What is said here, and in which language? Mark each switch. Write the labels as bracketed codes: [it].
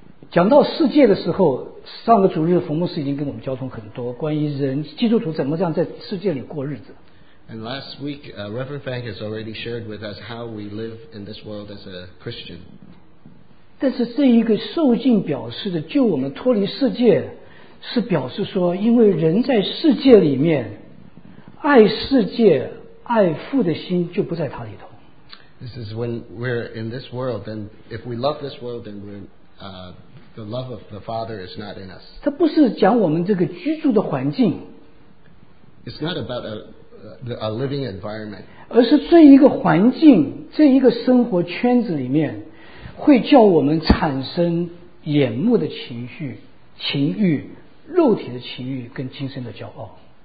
[zh] 讲到世界的时候上个主日的冯牧师已经跟我们交通很多关于人基督徒怎么这样在世界里过日子 [en] And last week, Reverend Fang has already shared with us how we live in this world as a Christian. [zh] 但是这一个受尽表示的救我们脱离世界，是表示说，因为人在世界里面，爱世界、爱父的心就不在他里头。 [en] This is when we're in this world, then if we love this world, then we're, the love of the Father is not in us. [zh] 它不是讲我们这个居住的环境。 [en] It's not about a living environment. [zh] 而是这一个环境，这一个生活圈子里面。会叫我们产生眼目的情绪、情欲、肉体的情欲跟今生的骄傲。